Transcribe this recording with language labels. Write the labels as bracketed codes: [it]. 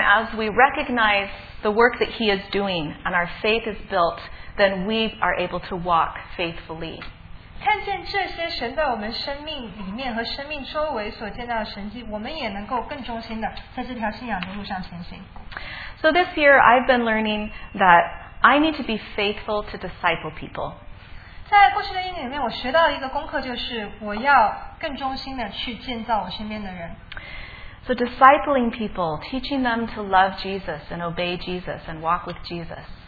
[en] as we recognize the work that he is doing and our faith is built, then we are able to walk faithfully. [zh] 看见这些神在我们生命里面和生命周围所见到的神迹，我们也能够更忠心的在这条信仰的路上前行。 [en] So this year I've been learning that I need to be faithful to disciple people. [zh] 在过去的一年里面，我学到一个功课，就是我要更忠心的去建造我身边的人。 [en] So discipling people, teaching them to love Jesus and obey Jesus and walk with Jesus.